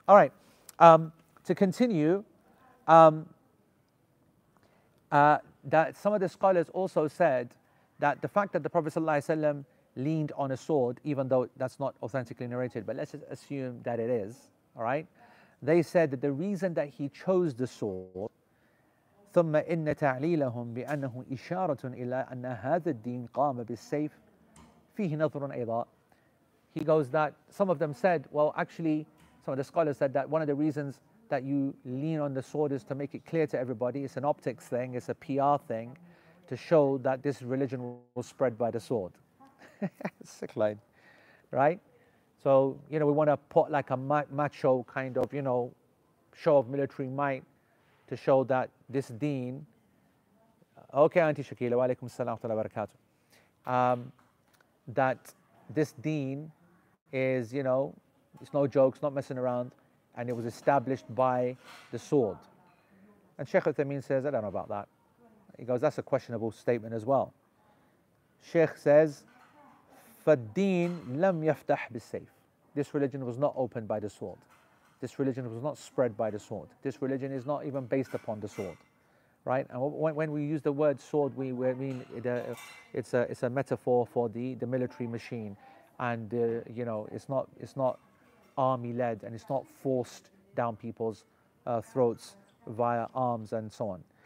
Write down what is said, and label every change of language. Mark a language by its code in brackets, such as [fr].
[en] All right, to continue, that some of the scholars also said that the fact that the Prophet ﷺ leaned on a sword, even though that's not authentically narrated, but let's just assume that it is, all right? They said that the reason that he chose the sword, [ar] ثُمَّ إِنَّ تَعْلِيلَهُمْ بِأَنَّهُ إِشَارَةٌ إِلَىٰ أَنَّ هَذَا الدِّينِ قَامَ بِالسَّيْفِ فِيهِ نَظْرٌ أَيْضًا. [en] He goes that some of them said, well, actually, some of the scholars said that one of the reasons that you lean on the sword is to make it clear to everybody, it's an optics thing, it's a PR thing, to show that this religion was spread by the sword. Sick line, right? So, you know, we want to put like a macho kind of, you know, show of military might to show that this deen. Okay, Auntie Shakila, wa alaikum salam wa rahmatullahi wa barakatuh. That this deen is, you know, it's no jokes, not messing around, and it was established by the sword. And Sheikh Uthaymeen says, I don't know about that. He goes, that's a questionable statement as well. Sheikh says, [ar] فَالدِّينِ لَمْ يَفْتَحْ بِالسَّيْفِ. [en] This religion was not opened by the sword. This religion was not spread by the sword. This religion is not even based upon the sword. Right? And when we use the word sword, we mean it's a metaphor for the military machine. And, you know, it's not army-led, and it's not forced down people's throats via arms and so on.